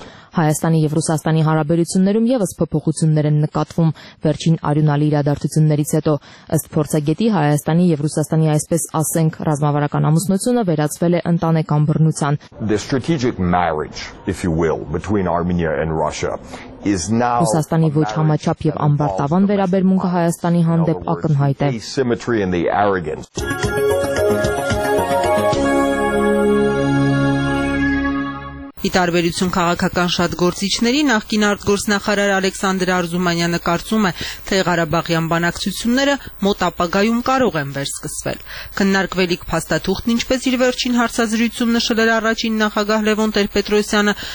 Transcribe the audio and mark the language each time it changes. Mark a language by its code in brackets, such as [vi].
[hy] Հայաստանի և Ռուսաստանի հարաբերություններում ևս փոփոխություններ են նկատվում վերջին արյունալի իրադարձություններից հետո։ Ըստ փորձագետի, Հայաստանի և Ռուսաստանի, այսպես ասենք, ռազմավարական ամուսնությունը վերածվել է ընտանեկան բռնության։ [en] The strategic marriage, if you will, between Armenia and Russia is now [hy] Ռուսաստանի ոչ համաչափ և ամբարտավան վերաբերմունքը Հայաստանի հանդեպ ակնհայտ է։ Ի տարբերություն քաղաքական շատ գործիչների, նախկին արտգործնախարար Ալեքսանդր Արզումանյանը կարծում է, թե Ղարաբաղյան բանակցությունները մոտ ապագայում կարող են վերսկսվել։ Քննարկվելիք փաստաթուղթն, ինչպես իր վերջին հարցազրույցում նշել էր առաջին նախագահ Լևոն Տեր-Պետրոսյանը,